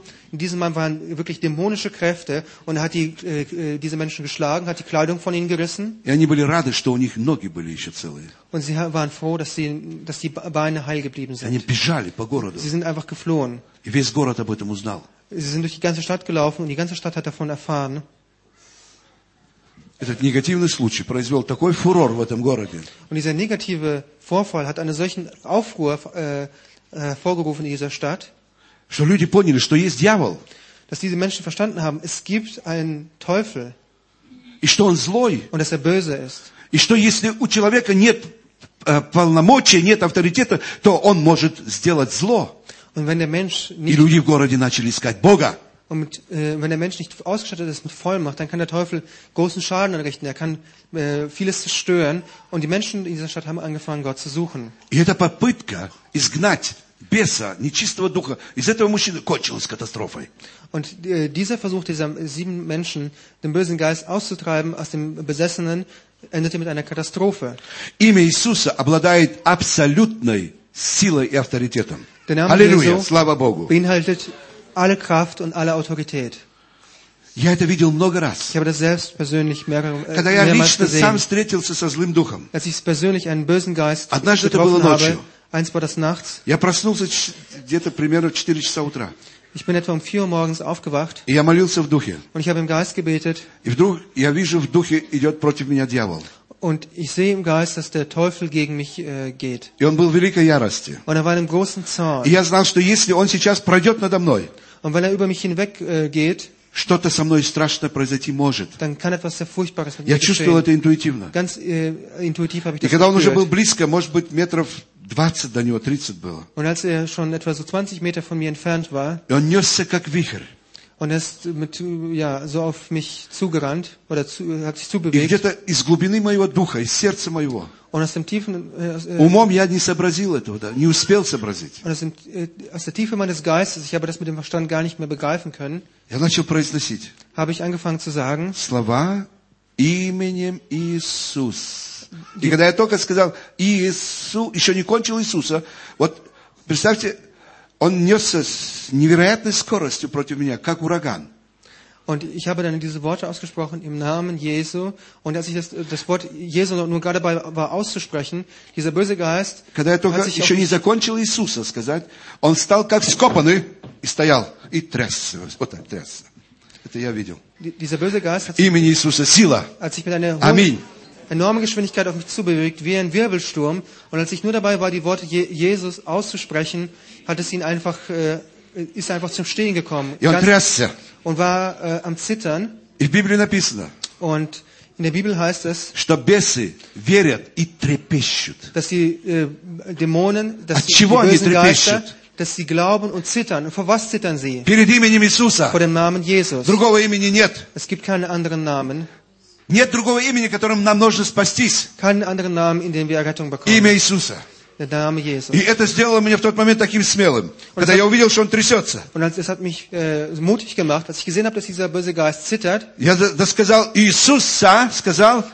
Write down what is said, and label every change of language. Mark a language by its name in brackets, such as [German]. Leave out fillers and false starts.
[German] in diesem Mann waren wirklich dämonische Kräfte und hat die diese Menschen geschlagen, hat die Kleidung von ihnen gerissen. Und sie waren froh, dass die Beine heil geblieben sind. Sie sind einfach geflohen. Sie sind durch die ganze Stadt gelaufen und die ganze Stadt hat davon erfahren. [Russian] Этот негативный случай произвел такой фурор в этом городе. [German] Und dieser negative Vorfall hat einen solchen Aufruhr hervorgerufen in dieser Stadt. [Russian] Что люди поняли, что есть дьявол. [German] Dass diese Menschen verstanden haben, es gibt einen Teufel. [Russian] И что он злой. [German] Und dass er böse ist. [Russian] И что если у человека нет полномочия, нет авторитета, то он может сделать зло. [German] Und wenn der Mensch nicht. [Russian] И люди в городе начали искать Бога. [German] Und wenn der Mensch nicht ausgestattet ist mit Vollmacht, dann kann der Teufel großen Schaden anrichten. Er kann vieles zerstören. Und die Menschen in dieser Stadt haben angefangen, Gott zu suchen. [Russian] И эта попытка изгнать беса, нечистого духа, из этого мужчины кончилось катастрофой. [German] Und dieser Versuch dieser sieben Menschen, den bösen Geist auszutreiben aus dem Besessenen, endete mit einer Katastrophe. [Russian] Имя Иисуса обладает абсолютной силой и авторитетом. [German] Der Name [Russian] Halleluja, Jesu, слава Богу. [German] Beinhaltet alle Kraft und alle Autorität. [Russian] Я это видел много раз. [German] Ich habe das selbst persönlich mehrere, [Russian] когда я лично сам встретился со злым духом. [German] Als ich persönlich einen bösen Geist [Russian] однажды [German] getroffen [Russian] это было ночью. [German] Habe, eins war das nachts. [Russian] Я проснулся где-то примерно в 4 часа утра. [German] Ich bin etwa um 4 Uhr morgens aufgewacht. [Russian] И я молился в духе. [German] Und ich habe im Geist gebetet. [Russian] И вдруг я вижу в духе идет против меня дьявол. [German] Und ich sehe im Geist, dass der Teufel gegen mich geht. [Russian] И он был в великой ярости. [German] Und er war in einem großen Zorn. [Russian] И я знал, что если он сейчас пройдет надо мной. [German] Und wenn er über mich hinweg geht. [Russian] Что-то со мной страшное произойти может. [German] Dann kann etwas sehr Furchtbares [Russian] я чувствовал это интуитивно. [German] Ganz, intuitiv habe ich [Russian] и [German] das [Russian] когда [German] gespürt. [Russian] Он уже был близко, может быть, метров 20 до него, 30 было. [German] Und als er schon etwa so 20 Meter von mir entfernt war, [Russian] и он несся как вихрь. [German] Und er ist mit, ja, so auf mich zugerannt oder zu, hat sich zubewegt. [Russian] И где-то из глубины моего духа, из сердца моего. [German] Und aus dem tiefen, [Russian] умом я не сообразил этого, да, не успел сообразить. [German] Und aus der Tiefe meines Geistes, ich habe das mit dem Verstand gar nicht mehr begreifen können. [Russian] Я начал произносить. [German] Habe ich angefangen zu sagen. [Russian] Слова именем Иисус. И когда я только сказал Иисус, еще не кончил Иисуса, вот представьте. Он несся с невероятной скоростью против меня, как ураган. [German] Und ich habe dann diese Worte ausgesprochen im Namen Jesu. Und als ich das Wort Jesu nur gerade dabei war auszusprechen, dieser böse Geist, [Russian] когда я только еще не закончил Иисуса сказать, он стал как скопанный и стоял, и трясся. Вот так, трясся. Это я видел. [German] Dieser böse Geist hat [Russian] sich, имени Иисуса, сила. [German] Als ich mit einer hohen, enormen Geschwindigkeit auf mich zubewegt, wie ein Wirbelsturm. Und als ich nur dabei war, die Worte Jesus auszusprechen, hat es ihn einfach, ist einfach zum Stehen gekommen. Und war am Zittern. In der Bibel [Russian] написано, [German] und in der Bibel heißt es, [Russian] что бесы верят и трепещут. [German] Dass die Dämonen, dass [Russian] от чего [German] die bösen Geister, dass sie glauben und zittern. Und vor was zittern sie? [Russian] Перед именем Иисуса. [German] Vor dem Namen Jesus. [Russian] Другого имени нет. [German] Es gibt keinen anderen Namen. [Russian] Нет другого имени, которым нам нужно спастись. [German] Keinen anderen Namen, in dem wir Errettung bekommen. [Russian] Имя Иисуса. [German] Der Name Jesus. [Russian] И это сделало меня в тот момент таким смелым, und когда я увидел, что он трясется. [German] Und es hat mich mutig gemacht, als ich gesehen habe, dass dieser böse Geist zittert. [Russian] Я das сказал Иисуса, сказал.